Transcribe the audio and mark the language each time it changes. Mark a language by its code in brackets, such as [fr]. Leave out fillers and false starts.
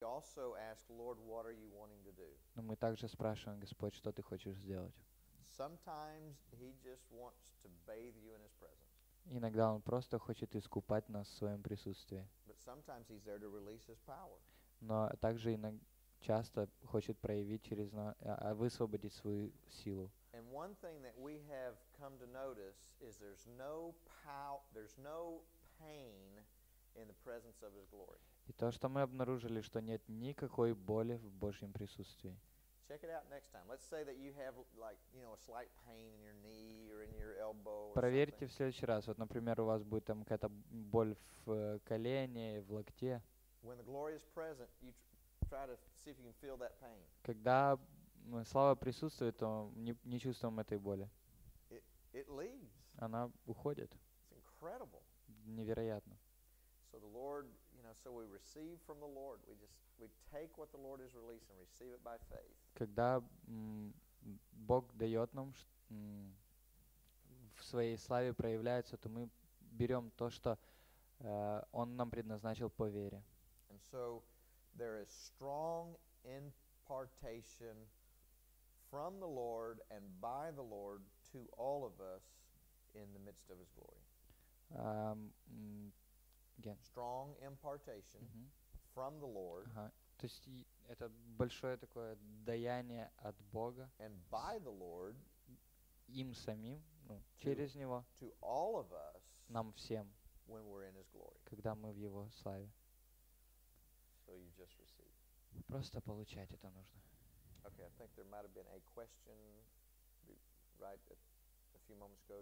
[en] also ask, Lord, what are you wanting to do? [ru] Но мы также спрашиваем, Господь, что ты хочешь сделать? [en] Sometimes he just wants to bathe you in his presence. [ru] Иногда он просто хочет искупать нас в своем присутствии. [en] But sometimes he's there to release his power. [ru] Но также иногда часто хочет проявить через нас, высвободить свою силу. [en] And one thing that we have come to notice is there's no power, there's no pain in the presence of his glory. [ru] И то, что мы обнаружили, что нет никакой боли в Божьем присутствии. [en] Check it out next time. Let's say that you have, like, you know, a slight pain in your knee or in your elbow. [ru] Проверьте в следующий раз. Вот, например, у вас будет там какая-то боль в колене, в локте. [en] When the glory is present, you try to see if you can feel that pain. [ru] Когда слава присутствует, то не чувствуем этой боли. [en] It leaves. [ru] Она уходит. [en] It's incredible. [ru] Невероятно. [en] So the Lord, you know, so we receive from the Lord. We take what the Lord has released and receive it by faith. [ru] Когда Бог дает нам, в своей славе проявляется, то мы берем то, что Он нам предназначил по вере. [en] And so there is strong impartation from the Lord and by the Lord to all of us in the midst of His glory. Again. Strong impartation from the Lord. [ru] То есть это большое такое даяние от Бога. [en] And by the Lord, [ru] им самим, ну, через Него. [en] To all of us, [ru] нам всем. [en] When we're in His glory. [ru] Когда мы в Его славе. [en] So you just receive. [ru] Просто получать это нужно. [en] Okay, I think there might have been a question right at a few moments ago.